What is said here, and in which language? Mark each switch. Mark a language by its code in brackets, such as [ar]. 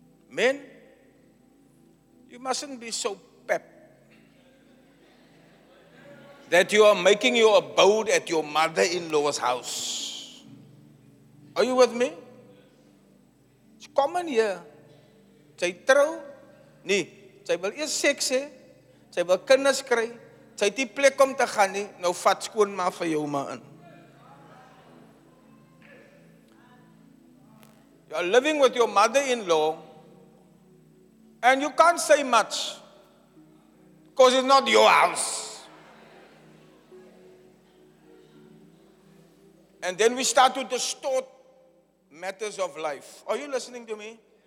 [en] Men, you mustn't be so pep that you are making your abode at your mother-in-law's house. Are you with me? It's common here. [af] Sy trou, nee, sy wil eers seks hê, sy wil kinders kry, sy het nie plek om te gaan nie, nou vat skoon maar vir jou ma in. [en] You are living with your mother-in-law and you can't say much because it's not your house. And then we start to distort matters of life. Are you listening to me?